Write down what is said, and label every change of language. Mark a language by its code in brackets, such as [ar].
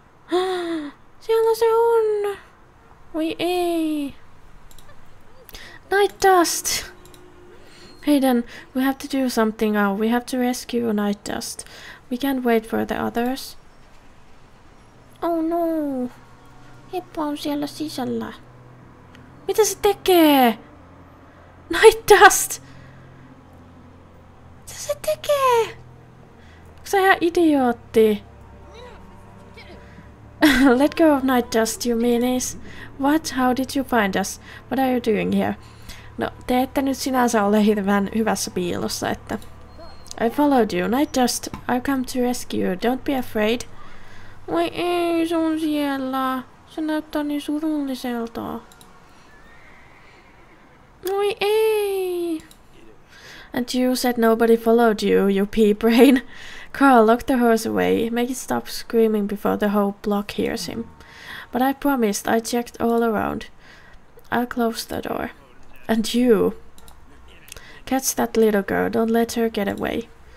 [fi] Siellä se on! [en] We [fi] ei! [en] Nightjust! Hayden, we have to do something now. We have to rescue Nightjust. We can't wait for the others. Oh no! [fi] Heppa on siellä sisällä. Mitä se tekee? Nightjust! Mitä se tekee? Onko se ihan idiootti? [en] Let go of Nightjust, you meanies. What? How did you find us? What are you doing here? [fi] No, te ette nyt sinänsä ole hirveän hyvässä piilossa, että... [en] I followed you, Nightjust. I've come to rescue you. Don't be afraid. [fi] Voi ei, se on siellä. Se näyttää niin surulliselta. Voi ei! [en] And you said nobody followed you, you pea brain. Carl, lock the horse away. Make it stop screaming before the whole block hears him. But I promised, I checked all around. I'll close the door. And you! Catch that little girl, don't let her get away.